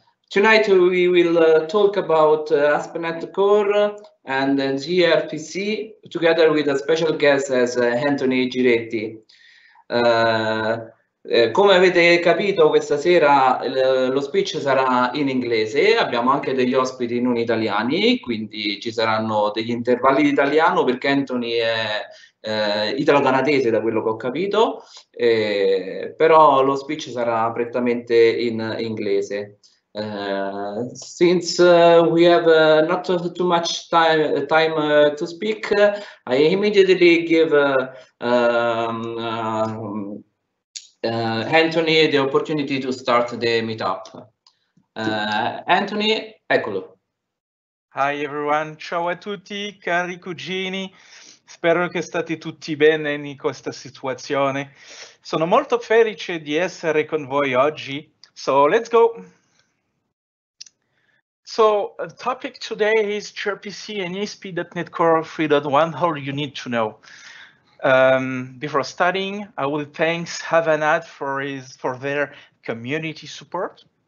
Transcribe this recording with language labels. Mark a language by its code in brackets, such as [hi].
[en] Tonight we will talk about ASP.NET Core and gRPC together with a special guest as Anthony Giretti. [it] Come avete capito questa sera lo speech sarà in inglese, abbiamo anche degli ospiti non italiani, quindi ci saranno degli intervalli di italiano perché Anthony è italo-canadese da quello che ho capito, però lo speech sarà prettamente in inglese. [en] Since we have not too much time to speak, I immediately give Anthony the opportunity to start the meetup. [it] Anthony, eccolo. [en] Hi everyone, [it] ciao a tutti, cari cugini. Spero che state tutti bene in questa situazione. Sono molto felice di essere con voi oggi. [en] So let's go. So the topic today is gRPC and ASP.NET Core 3.1, all you need to know. Before starting, I will thank Havanat for their community support.